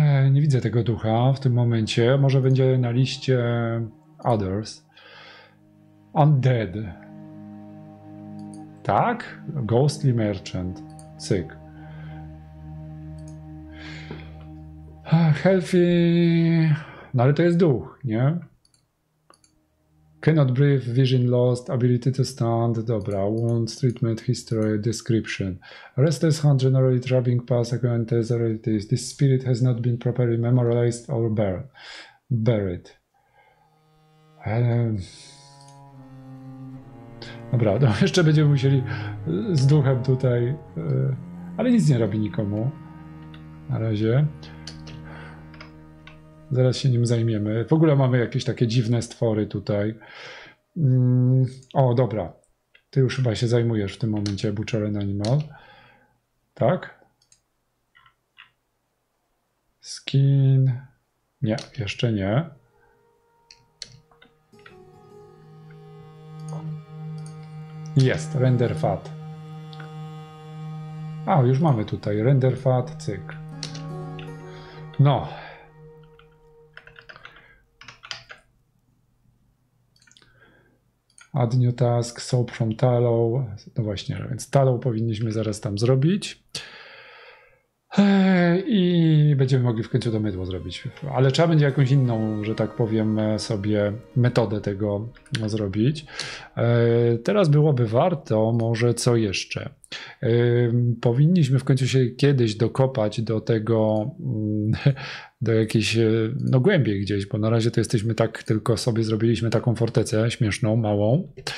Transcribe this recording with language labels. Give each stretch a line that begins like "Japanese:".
Polish: Nie widzę tego ducha w tym momencie. Może będzie na liście others.
English: Undead.
Polish: Tak? Ghostly Merchant. Cyk. Healthy. No ale to jest duch, nie?
English: Cannot breathe, vision lost, ability to stand, dobra, wounds, treatment, history, description. Restless hand generally traveling past acquaintances, relatives. This spirit has not been properly memorialized or buried.
Polish: Dobra, to jeszcze będziemy musieli z duchem tutaj, ale nic nie robi nikomu. Na razie. Zaraz się nim zajmiemy. W ogóle mamy jakieś takie dziwne stwory tutaj. O, dobra. Ty już chyba się zajmujesz w tym momencie Butchering Animal. Tak? Skin. Nie, jeszcze nie.
English: Jest, render fat.
Polish: A, już mamy tutaj. Render fat, cyk. No.
English: Add new task, soap from tallow.
Polish: No właśnie, więc tallow powinniśmy zaraz tam zrobić. I będziemy mogli w końcu to mydło zrobić. Ale trzeba będzie jakąś inną, że tak powiem, sobie metodę tego zrobić. Teraz byłoby warto może co jeszcze. Powinniśmy w końcu się kiedyś dokopać do tego, do jakiejś, no głębiej gdzieś, bo na razie to jesteśmy tak, tylko sobie zrobiliśmy taką fortecę śmieszną, małą.